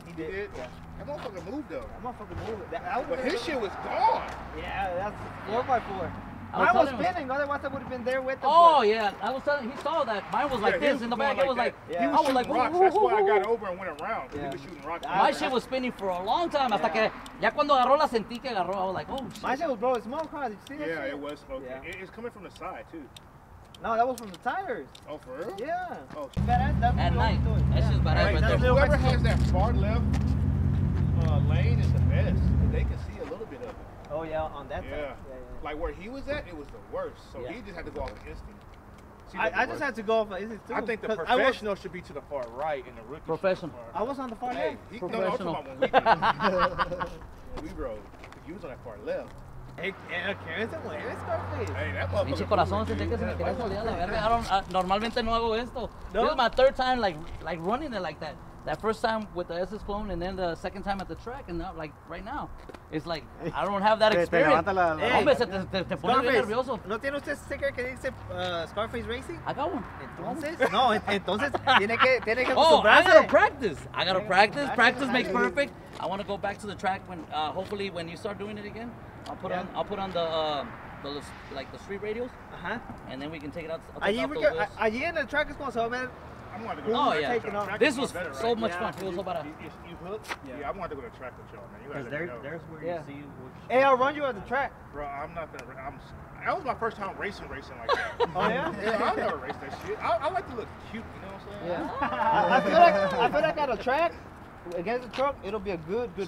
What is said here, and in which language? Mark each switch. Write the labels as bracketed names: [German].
[English] Yeah. That motherfucker moved though. That motherfucker moved. That but his shit was gone. Yeah, that's 4x4. Mine was spinning, otherwise I would have been there with him. Oh, but yeah. I was telling, he saw that. Mine was like this in the back. Like it was that. Like, yeah. He was I was like, rocks. Woo, woo, woo, woo. That's why I got over and went around. Yeah. He was shooting rocks. My shit was spinning for a long time. [Spanish] Hasta que ya cuando agarró la sentí que agarró. [English] I was like, oh, shit. My shit was blowing smoke, huh? Did you see that? Yeah, it was smoking. It's coming from the side, too. No, that was from the tires. Oh, for real? Yeah. Oh, badass. That's at night. That shit's badass right there. Whoever has that far left lane is the best. They can see a little bit of it. Oh, yeah, on that side. Yeah. Like where he was at, it was the worst. So he just had to go off instinct. I just had to go off. Is it too? I think the professional should be to the far right and the rookie. Professional. The far I was on the far left. Hey, professional. No, when we rode. You was on that far left. Hey, [Spanish] ¿qué es eso? ¿Qué es eso? [English] Hey, that motherfucker. [Spanish] Normalmente no hago esto. [English] No? This is my third time like running it like that. That first time with the SS clone and then the second time at the track and now, like right now. It's like, I don't have that experience. [Spanish] Hombre, se te pone nervioso. ¿No tiene usted sticker que dice Scarface Racing? [English] I got one. [Spanish] Entonces, no, entonces, tiene que acostumbrarse. [English] Oh, I gotta practice. I gotta practice. Practice makes perfect. I want to go back to the track when, hopefully, when you start doing it again. I'll put on the street radios. Uh-huh. And then we can take it out. [Spanish] Allí en el track es como se va a ver. [English] I'm going to go to track. This was better, right? So much fun. It was so bad. You hooked? Yeah, I'm going to go to track with y'all, man. Because there's where you see. Which hey, I'll run you at the track. Bro, I'm not going to. That was my first time racing like that. Oh, yeah? Yeah, I've never raced that shit. I like to look cute, you know what I'm saying? Yeah. I feel like at a track, against a truck, it'll be a good race.